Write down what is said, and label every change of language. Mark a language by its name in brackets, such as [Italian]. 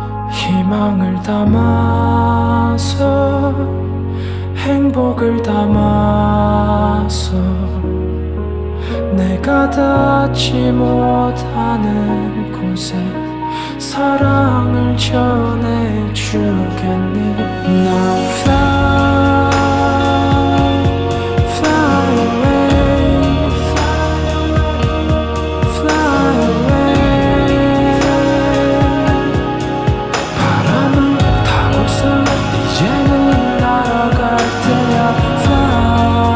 [Korean] 희망을 담아서, 행복을 담아서, 내가 닿지 못하는 곳에 사랑을 전해주겠니. [English] Now fly, fly away, fly away. [Korean] 바람은 타고서 이제는 날아갈 때야.